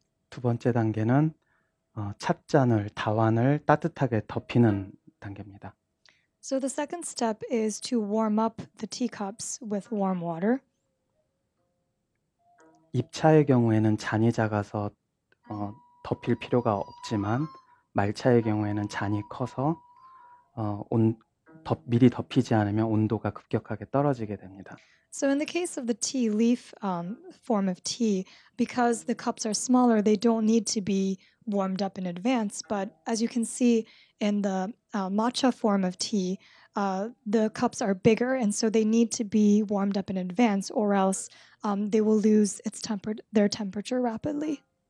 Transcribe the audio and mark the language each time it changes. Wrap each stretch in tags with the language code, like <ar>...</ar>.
<ko>두 번째 단계는 찻잔을 다완을 따뜻하게 덮이는 단계입니다.</ko> <en>So the second step is to warm up the teacups with warm water.</en> <ko>입차의 경우에는 잔이 작아서 덮일 필요가 없지만 말차의 경우에는 잔이 커서 미리 덮이지 않으면 온도가 급격하게 떨어지게 됩니다.</ko> <en>So in the case of the tea leaf form of tea, because the cups are smaller, they don't need to be warmed up in advance. But as you can see in the matcha form of tea, the cups are bigger, and so they need to be warmed up in advance, or else they will lose their temperature rapidly.</en>